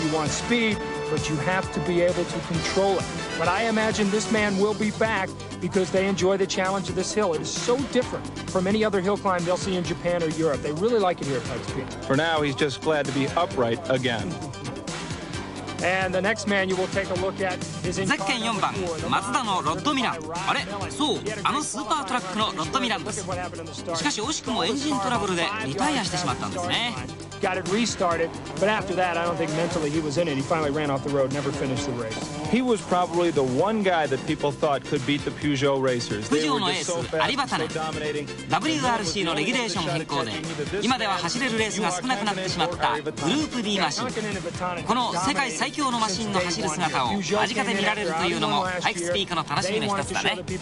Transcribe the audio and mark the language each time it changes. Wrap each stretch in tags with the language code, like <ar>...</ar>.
<en>You want speed, but you have to be able to control it. But I imagine this man will be back because they enjoy the challenge of this hill. It is so different from any other hill climb they'll see in Japan or Europe. They really like it here at Pikes Peak. For now, he's just glad to be upright again. And the next man you will take a look at is in</en> <ja>ゼッケン4番、マツダのロッド・ミラン。あれ、そう、あのスーパートラックのロッド・ミランです。しかし惜しくもエンジントラブルでリタイアしてしまったんですね。</ja> <en>got it restarted. But after that, I don't think mentally he was in it. He finally ran off the road, never finished the race. He was probably the one guy that people thought could beat the Peugeot racers. They were just so fast, so dominating.</en> <ja>WRC の regulation 変更で、今では走れるレースが少なくなってしまったグループ D マシン。この世界最強のマシンの走る姿を間近で見られるというのも、パイクスピークの楽しみの一つだね。</ja>